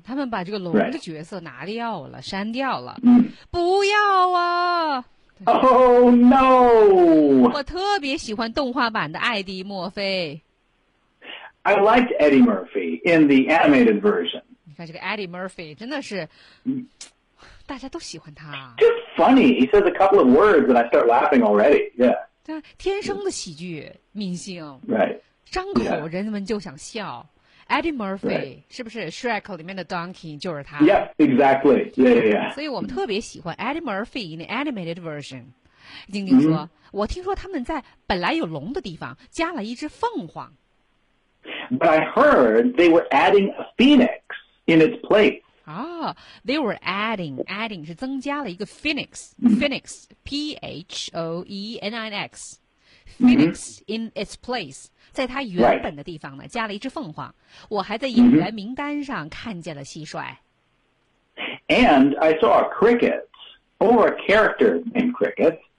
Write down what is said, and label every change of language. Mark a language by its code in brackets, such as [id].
[zh] 他们把这个龙的角色拿掉了、删掉了、不要啊。 [en] Oh no! [zh] 我特别喜欢动画版的艾迪·墨菲。 [en] I liked Eddie Murphy in the animated version. [zh] 你看这个 Eddie Murphy 真的是，大家都喜欢他。 [en] Just funny. He says a couple of words and I start laughing already. Yeah. [zh] 对，天生的喜剧明星。 [en] Right. [zh] 张口人们就想笑。Eddie Murphy 是不是 Shrek 里面的 Donkey 就是他 [en] Yep, exactly. Yeah, yeah, yeah. [zh] 所以我们特别喜欢 Eddie Murphy [en] in the animated version. [zh] 丁丁说、我听说他们在本来有龙的地方加了一只凤凰。 [en] But I heard they were adding a phoenix in its place. Oh, they were adding [zh] 是增加了一个 [en] phoenix,、phoenix, P-H-O-E-N-I-X, phoenix、in its place. [zh] 在他原本的地方呢、加了一只凤凰。我还在演员名单上看见了蟋蟀。 [en] And I saw a cricket, or a character named cricket.